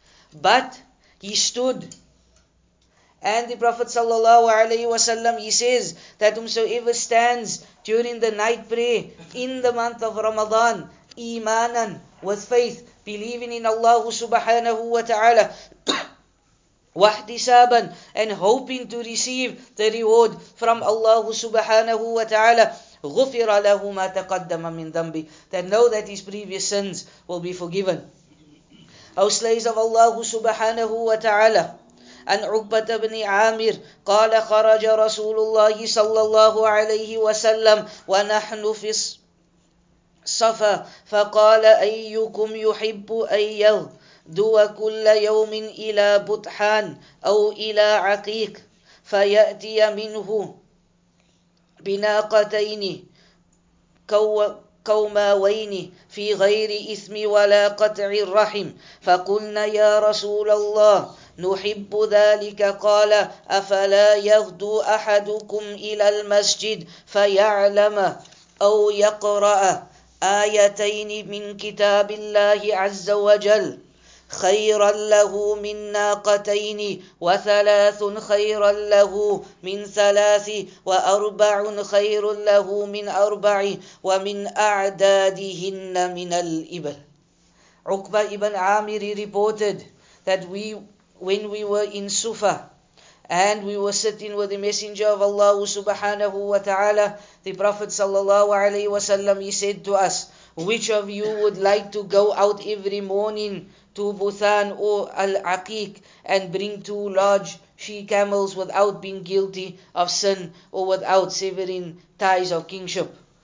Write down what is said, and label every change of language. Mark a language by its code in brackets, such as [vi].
[en] But he stood, and the Prophet sallallahu alayhi wa sallam, he says that whomsoever stands during the night prayer in the month of Ramadan, imanan, with faith, believing in Allah subhanahu wa ta'ala, wahtisaban, and hoping to receive the reward from Allah subhanahu wa ta'ala, [ar] ghufira lahu ma taqaddama min dhanbi, [en] that know that his previous sins will be forgiven. [ar] أو [en] slaves of Allah subhanahu wa ta'ala. [ar] An Uqbat ibn Amir قال خرج رسول الله صلى الله عليه وسلم ونحن في الصفا فقال أيكم يحب أن يغدو كل يوم إلى بطحان أو إلى عقيق فيأتي منه بناقتين كوماوين في غير إثم ولا قطع الرحم فقلنا يا رسول الله نحب ذلك قال أفلا يغدو أحدكم إلى المسجد فيعلم أو يقرأ آيتين من كتاب الله عز وجل خيرا له من ناقتين وثلاث خيرا له من ثلاث وأربع خير له من أربع ومن أعدادهن من الإبل. [en] عقبة ابن عامر reported that when we were in Sufa and we were sitting with the Messenger of Allah subhanahu wa ta'ala, the Prophet sallallahu alayhi wa sallam, he said to us, which of you would like to go out every morning to Buthan or Al-Aqiq and bring two large she-camels without being guilty of sin or without severing ties of kingship?